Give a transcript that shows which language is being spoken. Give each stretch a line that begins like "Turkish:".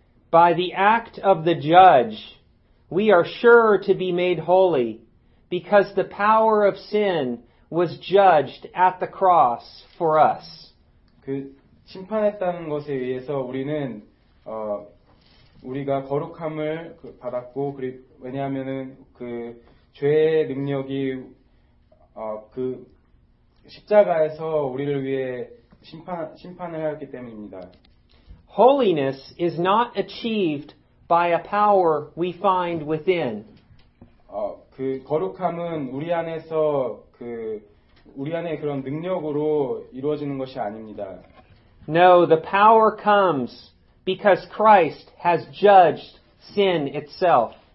English: By the act of the judge, we are sure to be made holy because the power of sin was judged at the cross for us.
Korean: 그 심판했다는 것에 의해서 우리는 우리가 거룩함을 받았고 왜냐하면은 그 죄의 능력이 그 십자가에서 우리를 위해 심판을 하였기 때문입니다.
English: Holiness is not achieved by a power we find within.
Korean: 그 거룩함은 우리 안에서 우리 안에 그런 능력으로 이루어지는 것이 아닙니다.
English: No, the power comes because Christ has judged sin itself.